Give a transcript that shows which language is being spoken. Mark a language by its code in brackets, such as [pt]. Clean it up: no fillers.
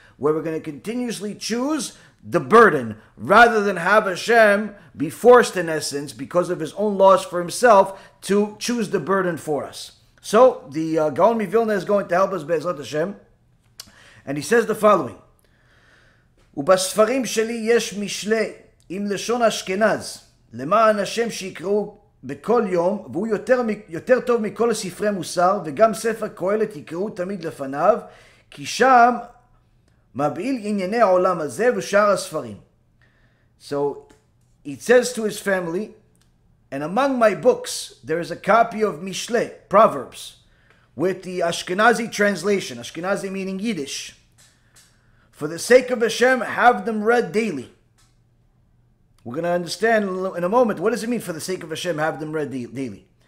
[en] Where we're going to continuously choose the burden rather than have Hashem be forced, in essence, because of his own laws for himself, to choose the burden for us. So the Gaon mi-Vilna is going to help us, Be'ezrat Hashem. And he says the following. [he] ובספרים שלי יש משלי עם לשון אשכנז למען השם שיקראו בכל יום והוא יותר טוב מכל ספרי מוסר וגם ספר קהלת יקראו תמיד לפניו כי שם מבעיל ענייני העולם הזה ושאר הספרים. [en] So it says to his family, and among my books there is a copy of Mishle, Proverbs, with the Ashkenazi translation, Ashkenazi meaning Yiddish. For the sake of Hashem, have them read daily. We're going to understand in a moment, what does it mean, for the sake of Hashem, have them read daily?